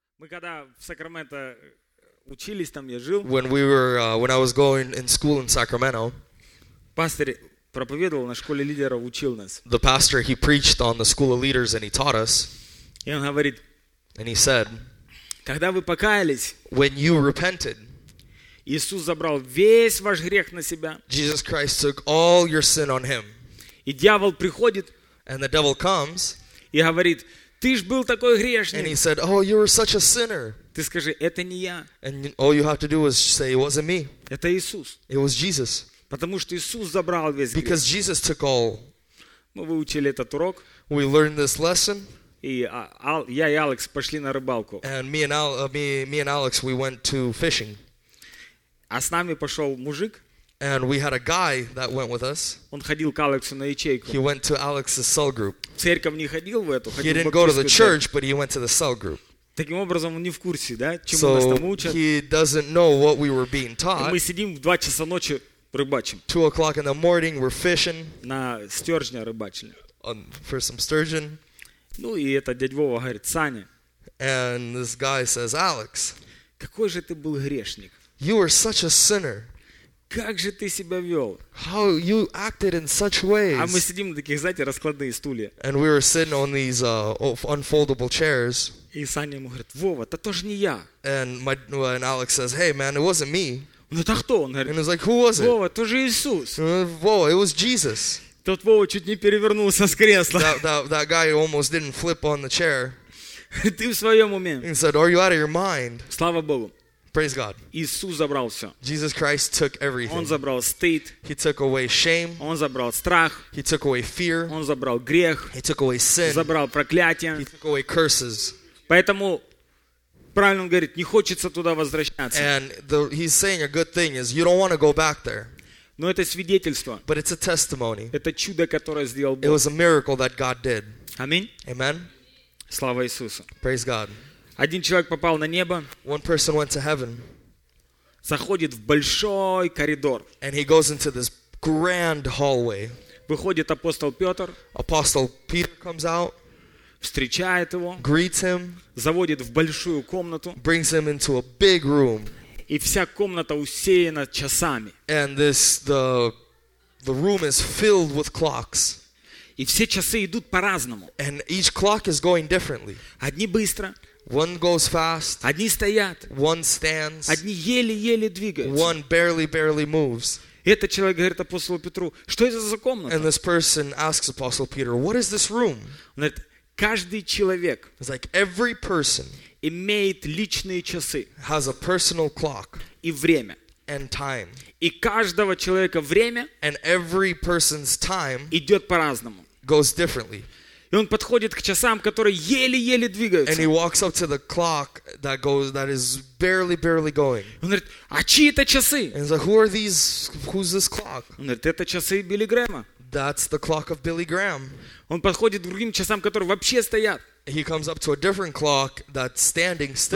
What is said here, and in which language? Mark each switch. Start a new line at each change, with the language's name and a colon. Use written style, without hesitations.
Russian: Мы когда в Сакраменто учились, там я жил.
English: When we were when I was going in school in Sacramento.
Russian: Пастор проповедовал на школе лидеров, учил нас.
English: The pastor, he preached on the school of leaders and he taught us.
Russian: И он говорит,
English: and he said,
Russian: когда вы покаялись,
English: when you repented,
Russian: Иисус забрал весь ваш грех на себя.
English: Jesus Christ took all your sin on him.
Russian: И дьявол приходит,
English: and the devil comes,
Russian: и говорит, ты ж был такой грешник.
English: And he said, oh, you were such a sinner.
Russian: Ты скажи, это не я.
English: And all you have to do is say, it wasn't me.
Russian: Это Иисус.
English: It was Jesus.
Russian: Потому что Иисус забрал весь грех.
English: Because Jesus took all.
Russian: Мы выучили этот урок.
English: We learned this lesson.
Russian: И я и Алекс пошли на рыбалку.
English: And me and Alex, we went to fishing.
Russian: А с нами пошел мужик.
English: And we had a guy that went with us.
Russian: Он ходил к Алексу на ячейку.
English: He went to Alex's cell group.
Russian: В церковь не ходил в эту.
English: He didn't go to the church, but he went to the cell group.
Russian: Таким образом, он не в курсе, да, чему
English: so
Russian: нас там учат.
English: So he doesn't know what we were being taught.
Russian: И мы сидим в 2 часа ночи рыбачим.
English: 2 o'clock in the morning, we're fishing.
Russian: На стержня рыбачили.
English: For some sturgeon.
Russian: Ну и это дядь Вова говорит, Саня.
English: And this guy says, Alex.
Russian: Какой же ты был грешник.
English: You were such a sinner.
Russian: Как же ты себя вел?
English: How you acted in such ways.
Russian: А мы сидим на таких, знаете, раскладные стулья.
English: And we were sitting on these unfoldable chairs.
Russian: И Саня ему говорит, Вова, это тоже не я.
English: And Alex says, hey man, it wasn't me.
Russian: Ну это кто? Он говорит,
English: and he's like, who was it?
Russian: Вова, это же Иисус.
English: Вова, it was Jesus.
Russian: Тот Вова чуть не перевернулся с кресла.
English: That guy almost didn't flip on the chair.
Russian: Ты в своем уме.
English: He said, are you out of your mind?
Russian: Слава Богу.
English: Praise God.
Russian: Иисус забрал все.
English: Jesus Christ took everything.
Russian: Он забрал стыд.
English: He took away shame.
Russian: Он забрал страх.
English: He took away fear.
Russian: Он забрал грех.
English: He took away sin.
Russian: Забрал проклятие.
English: He took away curses.
Russian: Поэтому правильно он говорит, не хочется туда возвращаться.
English: And he's saying a good thing is you don't want to go back there.
Russian: Но это свидетельство.
English: But it's a testimony.
Russian: Это чудо, которое сделал Бог.
English: It was a miracle that God did.
Russian: Аминь.
English: Amen.
Russian: Слава Иисусу.
English: Praise God.
Russian: Один человек попал на небо.
English: One person went to heaven.
Russian: Заходит в большой коридор.
English: And he goes into this grand hallway.
Russian: Выходит апостол Петр.
English: Apostle Peter comes out.
Russian: Встречает его.
English: Greets him.
Russian: Заводит в большую комнату.
English: Brings him into a big room.
Russian: И вся комната усеяна часами.
English: And this the room is filled with clocks.
Russian: И все часы идут по-разному.
English: And each clock is going differently.
Russian: Одни быстро.
English: One goes fast.
Russian: Одни стоят.
English: One stands.
Russian: Одни еле-еле двигаются.
English: One barely moves.
Russian: И этот человек говорит апостолу Петру, что это за комната?
English: And this person asks Apostle Peter, what is this room?
Russian: Он говорит, каждый человек,
English: it's like every person,
Russian: имеет личные часы,
English: has a personal clock,
Russian: и время,
English: and time.
Russian: И каждого человека время,
English: and every person's time,
Russian: идет по-разному,
English: goes differently.
Russian: И он подходит к часам, которые еле-еле двигаются.
English: And he walks up to the clock that is barely going.
Russian: Он говорит, а чьи это часы?
English: And he's like, who are these? Who's this clock?
Russian: Он говорит, это часы Билли Грэма.
English: That's the clock of Billy Graham.
Russian: Он подходит к другим часам, которые вообще стоят.
English: He comes up to a different clock that's standing still.